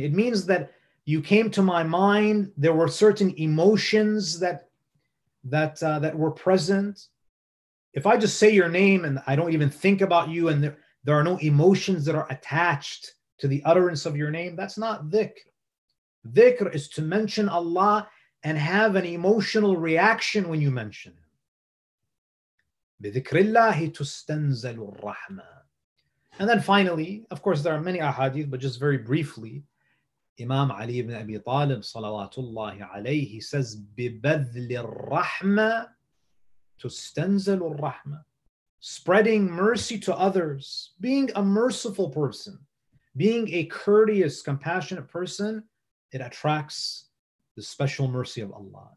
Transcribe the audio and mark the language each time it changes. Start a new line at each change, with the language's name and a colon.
English: It means that you came to my mind, there were certain emotions that were present. If I just say your name and I don't even think about you and there are no emotions that are attached to the utterance of your name, that's not dhikr. Dhikr is to mention Allah and have an emotional reaction when you mention Him.
Arabic: بِذِكْرِ اللَّهِ rahma.
English: And then finally, of course, there are many ahadith, but just very briefly, Imam Ali ibn Abi Talib, salawatullahi alayhi, says,
Arabic: بِبَذْلِ الرَّحْمَةِ تُسْتَنْزَلُ الرَّحْمَةِ.
English: Spreading mercy to others, being a merciful person, being a courteous, compassionate person, it attracts the special mercy of Allah.